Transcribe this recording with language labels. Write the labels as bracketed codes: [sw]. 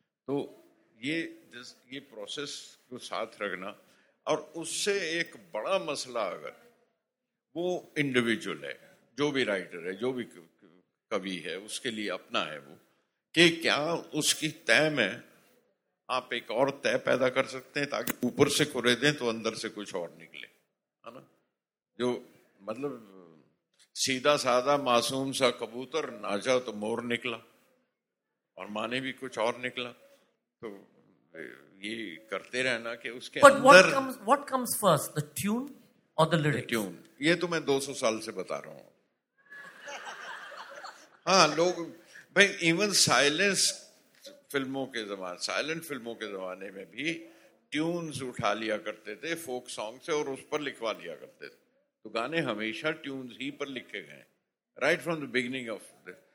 [hi] तो ये प्रोसेस को साथ रखना, और उससे एक बड़ा मसला अगर वो इंडिविजुअल है, जो भी राइटर है, जो भी कवि है, उसके लिए अपना है वो, कि क्या उसकी तय में आप एक और तय पैदा कर सकते हैं ताकि ऊपर से कुरेदें तो अंदर से कुछ और निकले, है ना। जो मतलब सीधा साधा मासूम सा कबूतर नाचा तो मोर निकला और माने भी कुछ और निकला, तो ये करते रहना कि उसके [en] But [hi] अंदर [en] what comes first, the tune or the lyrics? The tune. [hi] ये तो मैं 200 साल से बता रहा हूँ। हाँ, लोग भाई, इवन साइलेंट फिल्मों के जमाने में भी ट्यून्स उठा लिया करते थे फोक सॉन्ग से और उस पर लिखवा लिया करते थे। तो गाने हमेशा ट्यून्स ही पर लिखे गए, [en] Right from the beginning of the.